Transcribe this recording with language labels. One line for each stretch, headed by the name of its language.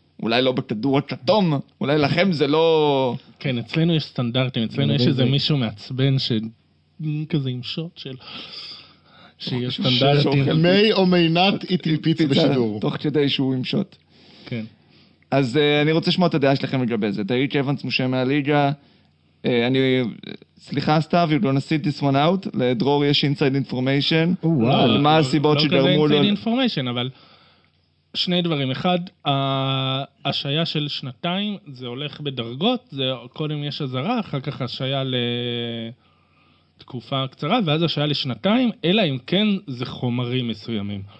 Hebrew: אולי לא בכדור הכתום, אולי לכם זה לא... כן, אצלנו יש סטנדרטים, אצלנו יש איזה מישהו מעצבן כזה עם שוט של... שיש סטנדרטים. מי או מי נת איטי פיצה בשידור. תוך כדי שהוא עם שוט. כן. אז אני רוצה לשמוע את הדעה שלכם לגבי זה. דריק אבנס מושה מהליגה. אני, סליחה סתיו,
English: you're gonna sit this one out.
Hebrew: לדרור יש
English: inside information.
Hebrew: וואו. מה הסיבות שגרמו לו... לא כזה
English: inside information,
Hebrew: אבל... שני דברים. אחד, השעיה של שנתיים, זה הולך בדרגות. זה קודם יש עזרה, אחר כך השעיה לתקופה קצרה, ואז השעיה לשנתיים, אלא אם כן זה חומרים מסוימים.